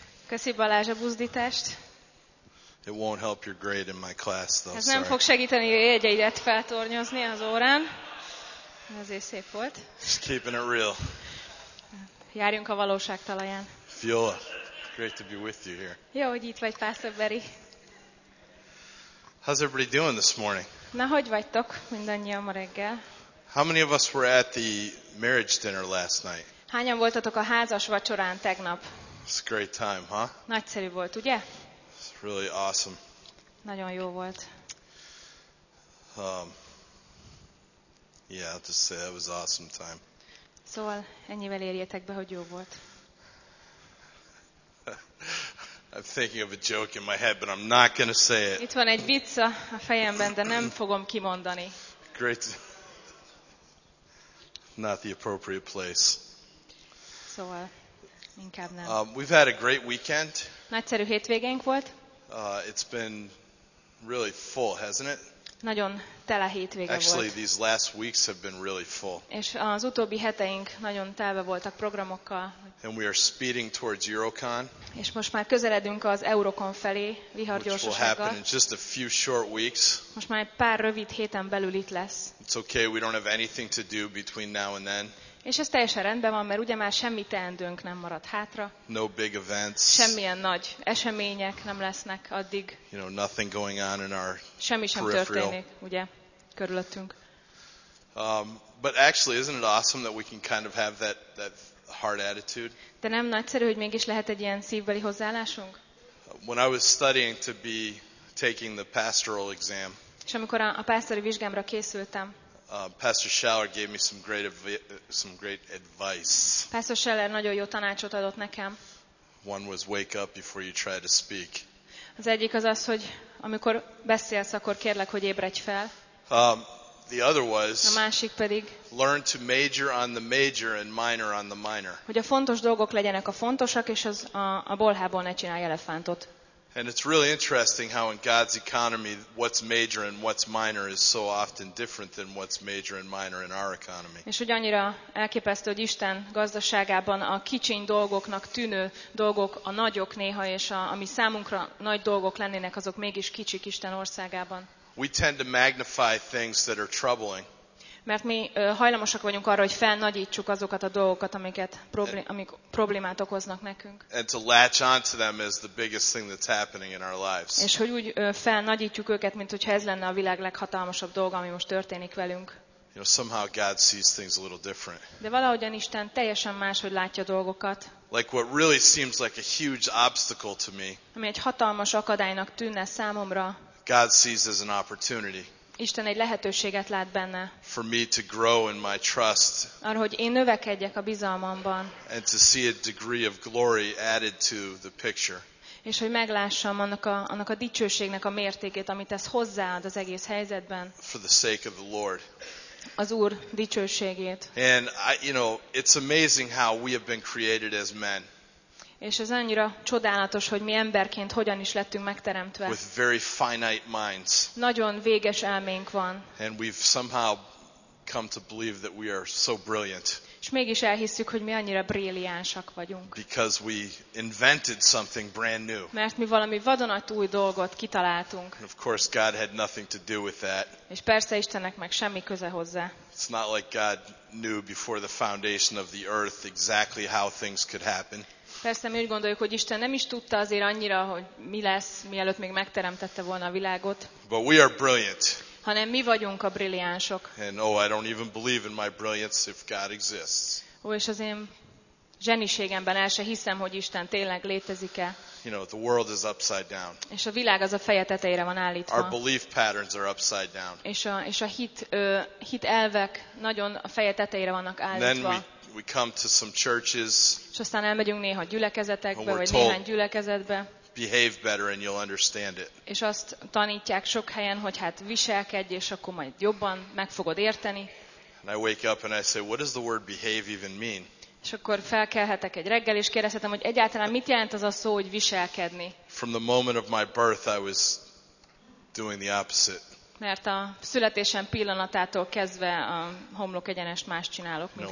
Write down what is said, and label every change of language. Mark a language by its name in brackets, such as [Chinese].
[Hungarian] Köszi, Balázs, a buzdítást. [English] It won't help your grade in my class, though. [Hungarian] Ez nem fog segíteni a jegyeidet feltornyozni az órán. Ezért szép volt. [English] Just keeping it real. [Hungarian] Járjunk a valóság talaján. [English] Fiola, great to be with you here. [Hungarian] Jó, hogy itt vagy, Pastor Barry. [English] How's everybody doing this morning? [Hungarian] Na, hogy vagytok mindannyian ma reggel? [English] How many of us were at the marriage dinner last night? [Hungarian] Hányan voltatok a házas vacsorán tegnap? [English] It's a great time, huh? [Hungarian] Nagyszerű volt, ugye? [English] It's really awesome. [Hungarian] Nagyon jó volt. [English] Yeah, I'll just say that was awesome time. [Hungarian] Szóval ennyivel érjétek be, hogy jó volt. [English] I'm thinking of a joke in my head, but I'm not going to say it. [Hungarian] Itt van egy vicc a fejemben, de nem fogom kimondani. [English] Great. Not the appropriate place. [Hungarian] Szóval inkább nem. [English] We've had a great weekend. [Hungarian] Nagyszerű hétvégénk volt. [English] It's been really full, hasn't it? [Hungarian] Nagyon tele hétvége volt. [English] Actually, these last weeks have been really full. [Hungarian] És az utóbbi heteink nagyon telve voltak programokkal. [English] And we are speeding towards Eurocon. [Hungarian] És most már közeledünk az Eurocon felé vihargyorsasággal. [English] Which will happen in just a few short weeks. [Hungarian] Most már egy pár rövid héten belül itt lesz. [English] It's okay, we don't have anything to do between now and then. [Hungarian] És ez teljesen rendben van, mert ugye már semmi teendőnk nem maradt hátra. [English] No big events. [Hungarian] Semmilyen nagy események nem lesznek addig. [English] You know, nothing going on in our [Hungarian] semmi sem [English] peripheral. [Hungarian] Történik, ugye, körülöttünk. [English] But actually, isn't it awesome that we can kind of have that hard attitude? [Hungarian] De nem nagyszerű, hogy mégis lehet egy ilyen szívbeli hozzáállásunk? [English] When I was studying to be taking the pastoral exam. [Hungarian] És amikor a pásztori vizsgámra készültem. [English] Pastor Schaller gave me some great advice. [Hungarian] Pastor Schaller nagyon jó tanácsot adott nekem. [English] One was wake up before you try to speak. [Hungarian] Az egyik az az, hogy amikor beszélsz, akkor kérlek, hogy ébredj fel. [English] The other was [Hungarian] a másik pedig [English] learn to major on the major and minor on the minor. [Hungarian] Hogy a fontos dolgok legyenek a fontosak, és az a bolhából ne csinálj elefántot. [English] And it's really interesting how in God's economy what's major and what's minor is so often different than what's major and minor in our economy. [Hungarian] És hogy annyira elképesztő, hogy Isten gazdaságában a kicsiny dolgoknak tűnő dolgok a nagyok néha, és ami számunkra nagy dolgok lennének, azok mégis kicsik Isten országában. [English] We tend to magnify things that are troubling. [Hungarian] Mert mi hajlamosak vagyunk arra, hogy felnagyítsuk azokat a dolgokat, amik problémát okoznak nekünk. [English] And to latch onto them is the biggest thing that's happening in our lives. [Hungarian] És hogy úgy felnagyítjuk őket, mint hogyha ez lenne a világ leghatalmasabb dolga, ami most történik velünk. [English] You know, somehow God sees things a little different. [Hungarian] De valahogyan Isten teljesen máshogy látja dolgokat. [English] Like what really seems like a huge obstacle to me. [Hungarian] Ami egy hatalmas akadálynak tűnne számomra. [English] God sees as an opportunity. [Hungarian] Isten egy lehetőséget lát benne. [English] For me to grow in my trust. [Hungarian] Arra, hogy én növekedjek a bizalmamban. [English] And to see a degree of glory added to the picture. [Hungarian] És hogy meglássam annak a dicsőségnek a mértékét, amit ez hozzáad az egész helyzetben. [English] For the sake of the Lord. [Hungarian] Az Úr dicsőségét. [English] And I, you know, it's amazing how we have been created as men. [Hungarian] És ez annyira csodálatos, hogy mi emberként hogyan is lettünk megteremtve. [English] With very finite minds. [Hungarian] Nagyon véges elménk van. [English] And we've somehow come to believe that we are so brilliant. [Hungarian] És mégis elhisszük, hogy mi annyira brilliánsak vagyunk. [English] Because we invented something brand new. [Hungarian] Mert mi valami vadonatúj dolgot kitaláltunk. [English] And of course God had nothing to do with that. [Hungarian] És persze Istennek meg semmi köze hozzá. [English] It's not like God knew before the foundation of the earth exactly how things could happen. [Hungarian] Persze mi úgy gondoljuk, hogy Isten nem is tudta azért annyira, hogy mi lesz, mielőtt még megteremtette volna a világot. [English] But we are brilliant. [Hungarian] Hanem mi vagyunk a brilliánsok. [English] And oh, I don't even believe in my brilliance if God exists. [Hungarian] Ó, és az én zseniségemben el se hiszem, hogy Isten tényleg létezik-e. [English] You know, the world is upside down. [Hungarian] És a világ az a feje tetejére van állítva. [English] Our belief patterns are upside down. [Hungarian] És a hit elvek nagyon a feje tetejére vannak állítva. [English] And then we come to some churches. [Hungarian] És aztán elmegyünk néha gyülekezetekbe, vagy néhány gyülekezetbe. [English] Behave better and you'll understand it. [Hungarian] És azt tanítják sok helyen, hogy hát viselkedj, és akkor majd jobban meg fogod érteni. [English] And I wake up and I say, what does the word behave even mean? [Hungarian] És akkor felkelhetek egy reggel, és kérdezhetem, hogy egyáltalán mit jelent az a szó, hogy viselkedni? [English] From the moment of my birth, I was doing the opposite. [Hungarian] Mert a születésem pillanatától kezdve a homlok egyenest más csinálok, mint